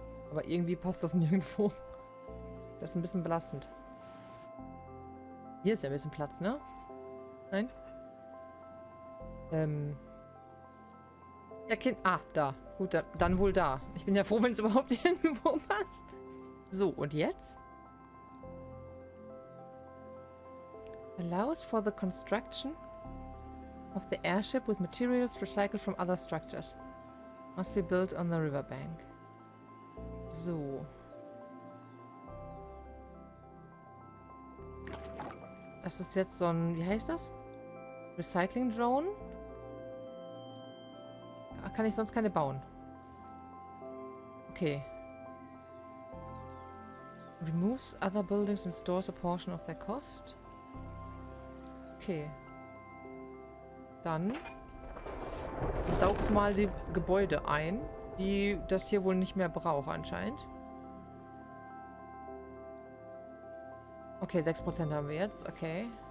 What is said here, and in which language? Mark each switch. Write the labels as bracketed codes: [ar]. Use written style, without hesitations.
[de] Aber irgendwie passt das nirgendwo. Das ist ein bisschen belastend. Hier ist ja ein bisschen Platz, ne? Nein? Ja, Kind. Ah, da. Gut, dann wohl da. Ich bin ja froh, wenn es überhaupt irgendwo passt. So, und jetzt? [en] Allows for the construction of the airship with materials recycled from other structures. Must be built on the riverbank. So. [de] Das ist jetzt so ein, wie heißt das? [en] Recycling Drone? [de] Da kann ich sonst keine bauen. Okay. [en] Removes other buildings and stores a portion of their cost. Okay. [de] Dann saugt mal die Gebäude ein, die das hier wohl nicht mehr braucht anscheinend. Okay, 6% haben wir jetzt. Okay.